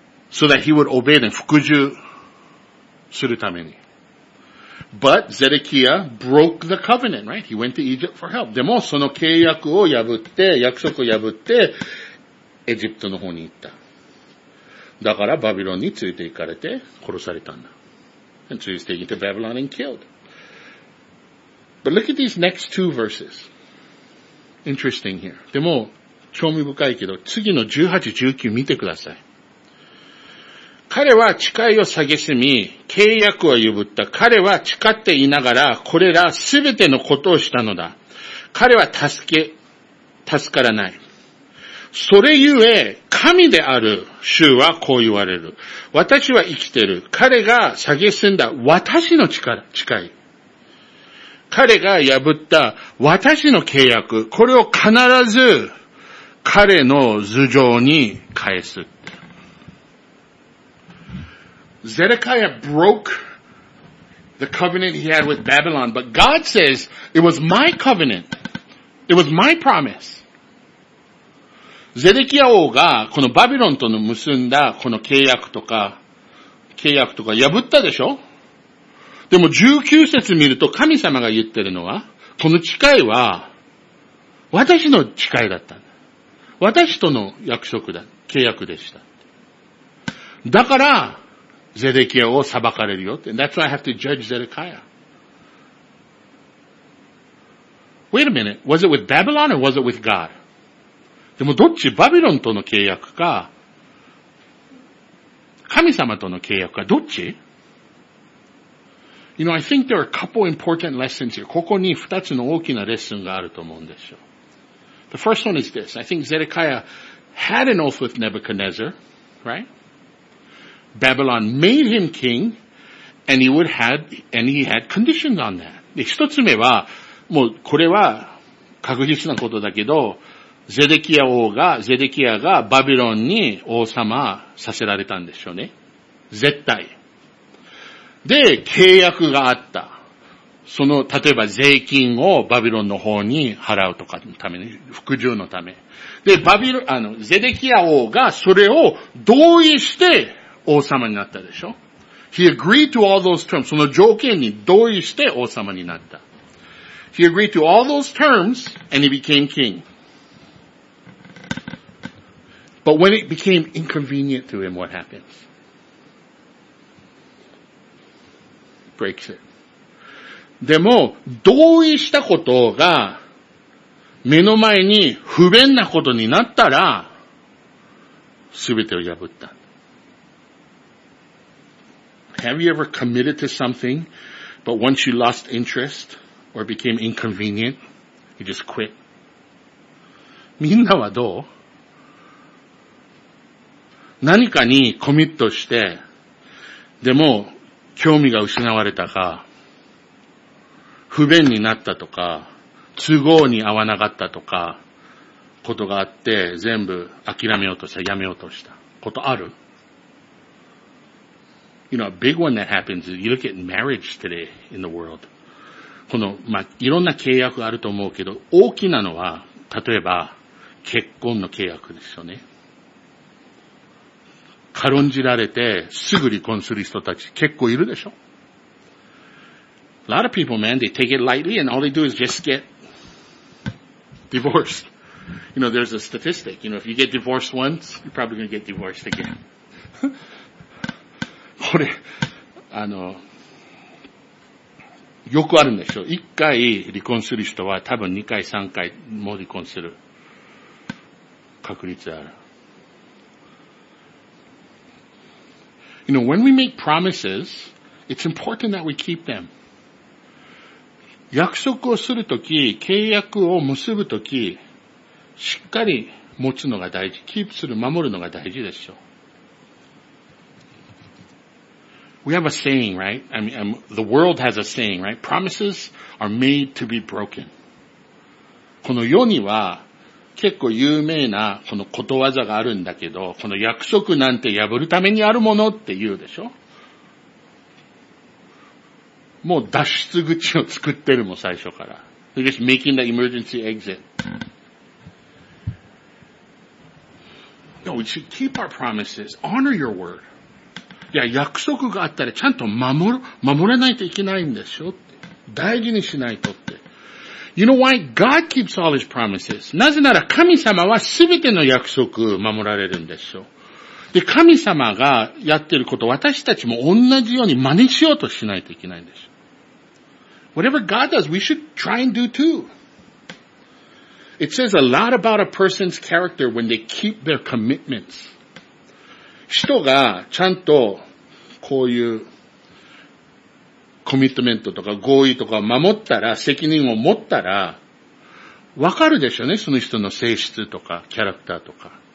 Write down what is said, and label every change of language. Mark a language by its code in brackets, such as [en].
[en] So that he would obey them. [ja] 服従するために。 [en] But Zedekiah broke the covenant, right? He went to Egypt for help. [ja] でもその契約を破って、約束を破って、エジプトの方に行った。だからバビロンについて行かれて殺されたんだ。 [en] And so he's taken to Babylon and killed. But look at these next two verses. Interesting here. [ja] でも、興味深いけど、次の18、19見てください。彼は誓いを蔑み、契約を破った。彼は誓っていながら、これらすべてのことをしたのだ。彼は助からない。それゆえ、神である主はこう言われる。私は生きている。彼が蔑んだ私の誓い。彼が破った私の契約。これを必ず彼の頭上に返す。 [en] Zedekiah broke the covenant he had with Babylon, but God says, it was my covenant. It was my promise. [ja] ゼデキヤ王がこのバビロンとの結んだこの契約とか破ったでしょ？でも19節見ると神様が言ってるのは、この誓いは私の誓いだった。私との約束だ、契約でした。だから、ゼデキヤを裁かれるよって。 [en] That's why I have to judge Zedekiah. Wait a minute. Was it with Babylon or was it with God? [ja] でもどっち、バビロンとの契約か、神様との契約か、どっち？ [en] You know, I think there are a couple important lessons here. [ja] ここに二つの大きなレッスンがあると思うんですよ。 [en] The first one is this. I think Zedekiah had an oath with Nebuchadnezzar, right? Babylon made him king, and he had conditions on that. [ja] で、一つ目は、もうこれは確実なことだけど、ゼデキヤ王が、ゼデキヤがバビロンに王様させられたんでしょうね。絶対。で、契約があった。その、例えば税金をバビロンの方に払うとかのために、服従のため。で、ゼデキヤ王がそれを同意して王様になったでしょ。 [en] He agreed to all those terms. [ja] その条件に同意して王様になった。 [en] He agreed to all those terms and he became king. But when it became inconvenient to him, what happens? Breaks it. [ja] でも、同意したことが目の前に不便なことになったら、すべてを破った。 [en] Have you ever committed to something, but once you lost interest or became inconvenient, you just quit? [ja] みんなはどう？何かにコミットして、でも興味が失われたか、不便になったとか、都合に合わなかったとか、ことがあって、全部諦めようとした、やめようとしたことある？ [en] You know, a big one that happens is you look at marriage today in the world. [ja] この、まあ、いろんな契約あると思うけど、大きなのは、例えば、結婚の契約ですよね。軽んじられて、すぐ離婚する人たち、結構いるでしょ？ [en] A lot of people, man, they take it lightly and all they do is just get divorced. You know, there's a statistic. You know, if you get divorced once, you're probably going to get divorced again. [ja] これ、よくあるんでしょ。一回離婚する人は多分二回、三回も離婚する確率ある。 [en] You know, when we make promises, it's important that we keep them. [ja] 約束をするとき、契約を結ぶとき、しっかり持つのが大事、キープする、守るのが大事でしょう。 [en] We have a saying, right? I mean, the world has a saying, right? Promises are made to be broken. [ja] この世には結構有名なこのことわざがあるんだけど、この約束なんて破るためにあるものって言うでしょ。もう脱出口を作ってるもん最初から。 [en] They're just making the emergency exit. No, we should keep our promises. Honor your word. [ja] いや、約束があったらちゃんと守らないといけないんでしょ。大事にしないとって。 [en] You know why? God keeps all his promises. [ja] なぜなら神様は全ての約束を守られるんでしょ。で、神様がやってること、私たちも同じように真似しようとしないといけないんです。 [en] Whatever God does, we should try and do too. It says a lot about a person's character when they keep their commitments. [ja] 人がちゃんとこういうコミットメントとか合意とかを守ったら、責任を持ったら、わかるでしょうね、その人の性質とかキャラクターとか。